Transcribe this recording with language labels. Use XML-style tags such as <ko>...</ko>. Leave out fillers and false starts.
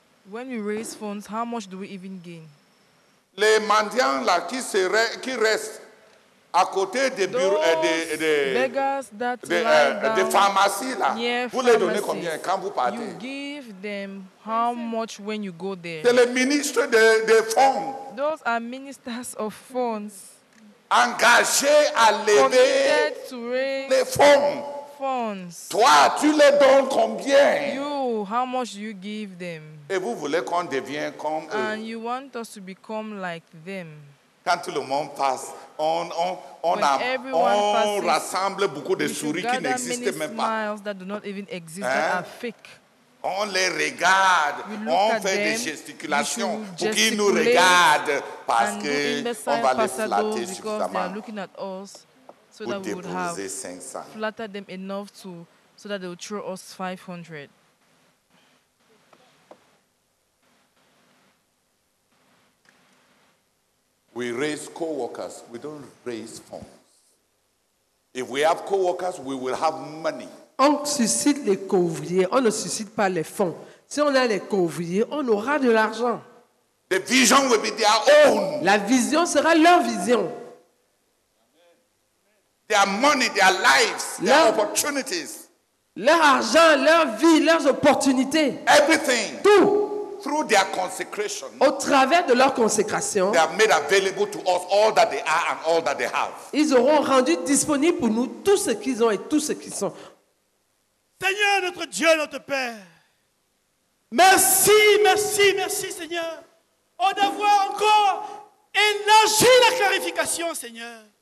<en>When we raise funds, how much do we even gain?</en> <fr>Les mendiants là qui restent à côté des bureaux des pharmacies là, vous les donnez combien quand vous partez?</fr> <en>You give them how much when you go there?</en> <fr>C'est les ministres de fonds.</fr> <en>Those are ministers of funds.</en> <fr>Engagés à lever les fonds. Toi, tu les donnes combien?</fr> <en>You, how much do you give them?</en> <fr>Et vous voulez qu'on devienne comme eux?</fr> <en>And you want us to become like them?</en> <fr>Quand tout le monde passe, on rassemble beaucoup de souris qui n'existent même pas.</fr> <en>Smiles that do not even exist, hein? That are fake.</en> <fr>On les regarde, on fait</fr> <en>them,</en> <fr>des gesticulations pour qu'ils nous regardent parce que on va les flatter suffisamment.</fr> <en>So that we would have 500. Flattered them enough to so that they would throw us 500. We raise co-workers, we don't raise funds. If we have co-workers, we will have money.</en> <fr>On suscite les co-ouvriers, on ne suscite pas les fonds. Si on a les co-ouvriers, on aura de l'argent.</fr> <en>The vision will be their own.</en> <fr>La vision sera leur vision.</fr> <en>Their money, their lives, their opportunities.</en> <fr>Leur argent, leur vie, leurs opportunités.</fr> <en>Everything.</en> <fr>Tout.</fr> <en>Through their consecration.</en> <fr>Au travers de leur consécration.</fr> <en>They have made available to us all that they are and all that they have.</en> <fr>Ils auront rendu disponible pour nous tout ce qu'ils ont et tout ce qu'ils sont. Seigneur, notre Dieu, notre Père. Merci, merci, merci, Seigneur. Oh, d'avoir encore élargi la clarification, Seigneur.</fr>